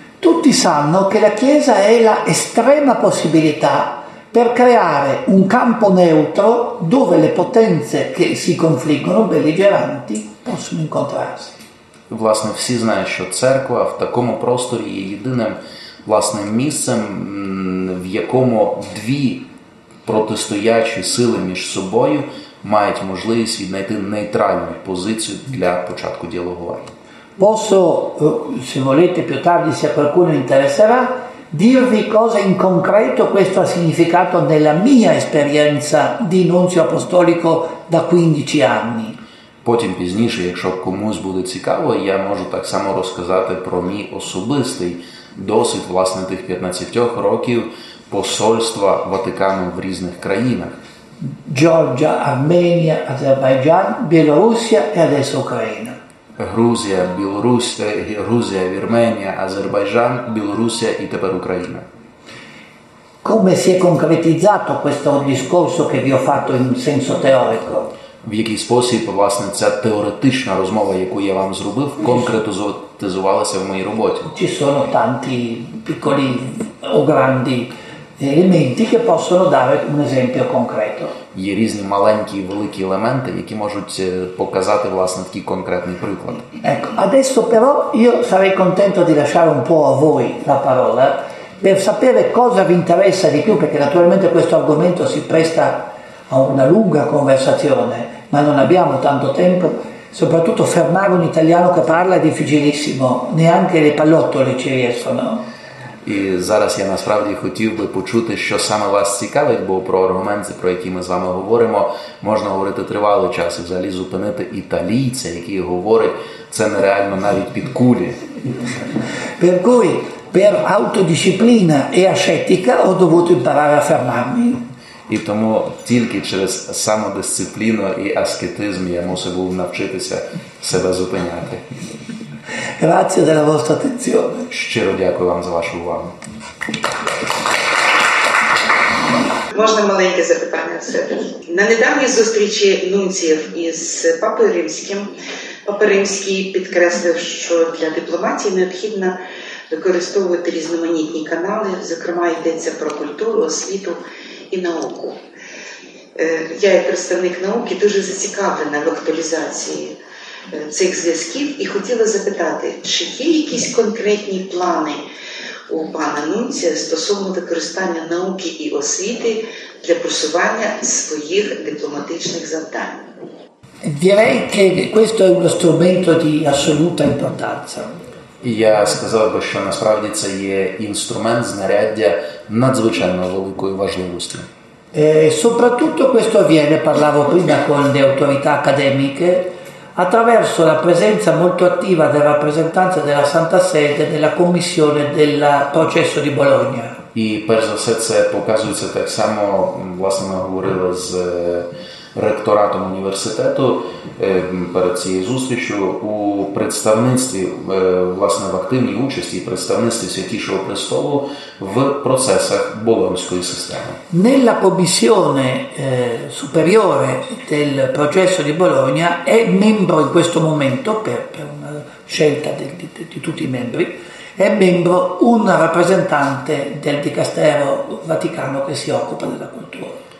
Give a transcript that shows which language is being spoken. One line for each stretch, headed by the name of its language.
Italian: Tutti sanno che la Chiesa è la estrema possibilità per creare un campo neutro dove le potenze che si confliggono, belligeranti, possono incontrarsi.
Ukrainian: Власне, всі знають, що церква в такому просторі є єдиним власним місцем, в якому дві протистоячі сили між собою мають можливість віднайти нейтральну позицію для початку діалогування.
Italian: Posso, se volete, più tardi, se qualcuno interesserà, dirvi cosa in concreto questo ha significato nella mia esperienza di nunzio apostolico da 15 anni.
Ukrainian: Потім, пізніше, якщо комусь буде цікаво, я можу так само розказати про мій особистий досвід, власне, тих 15 років посольства Ватикану в різних країнах.
Italian: Georgia, Armenia, Azerbaijan, Bielorussia e adesso Ucraina.
Ukrainian: Грузія, Вірменія, Азербайджан, Білорусія і тепер Україна.
Italian: Come si è concretizzato questo discorso che vi ho fatto in senso teorico?
Ukrainian: В який спосіб, власне, ця теоретична розмова, яку я вам зробив, конкретизувалася в моїй роботі?
Italian: Ci sono tanti piccoli o grandi elementi che possono dare un esempio concreto.
Ukrainian: Є різні маленькі і великі елементи, які можуть показати власне такий конкретний приклад.
Italian: Ecco, adesso però io sarei contento di lasciare un po' a voi la parola per sapere cosa vi interessa di più, perché naturalmente questo argomento si presta a una lunga conversazione, ma non abbiamo tanto tempo, soprattutto fermare un italiano che parla è difficilissimo, neanche le pallottole ci riescono.
Ukrainian: І зараз я насправді хотів би почути, що саме вас цікавить, бо про аргументи, про які ми з вами говоримо, можна говорити тривалий час і взагалі зупинити італійця, який говорить, це нереально навіть під кулі.
Italian: Per cui, per autodisciplina e ascetica, ho dovuto imparare a fermarmi.
Ukrainian: І тому тільки через самодисципліну і аскетизм я мусив був навчитися себе зупиняти.
Italian: Grazie della vostra attenzione.
Ukrainian: Щиро дякую вам за вашу увагу. Можна маленьке запитання все. На недавній зустрічі нунців із Папою Римським, Папа Римський підкреслив, що для дипломатії необхідно використовувати різноманітні канали, зокрема, йдеться про культуру, освіту і науку. Я, як представник науки, дуже зацікавлена в актуалізації цих зв'язків і хотіла запитати, чи є якісь конкретні плани у пана Нунція стосовно використання науки і освіти для просування своїх дипломатичних завдань?
Italian: Direi che questo è uno strumento di assoluta importanza.
Ukrainian: Я сказав би, що насправді це є інструмент, знаряддя надзвичайно великої важливості.
Italian: Soprattutto questo avviene, parlavo prima con le autorità accademiche, attraverso la presenza molto attiva del rappresentante della Santa Sede nella commissione del processo di Bologna.
Ukrainian: І перш за все це показується так само, власне, ми говорили з ректоратом університету перед цією зустрічю у представництві, власне, в активній участі представництві Святішого Престолу в процесах Болонської системи.
Italian: Nella commissione superiore del processo di Bologna è membro in questo momento, per una scelta di tutti i membri, è membro un rappresentante del Dicastero Vaticano che si occupa della cultura.